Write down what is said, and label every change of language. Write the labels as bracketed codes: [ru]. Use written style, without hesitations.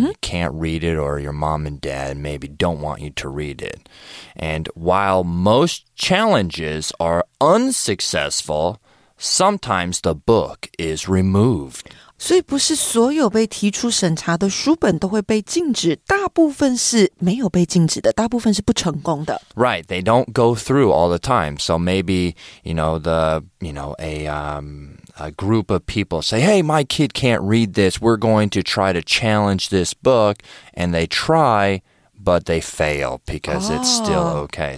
[en] you can't read it or your mom and dad maybe don't want you to read it and while most challenges are unsuccessful sometimes the book is removed [zh] 所以不是所有被提出审查的书本都会被禁止大部分是没有被禁止的大部分是不成功的 [en] Right, they don't go through all the time so maybe, you know, the, you know, a group of people say, hey, my kid can't read this. We're going to try to challenge this book. And they try, but they fail because it's still okay.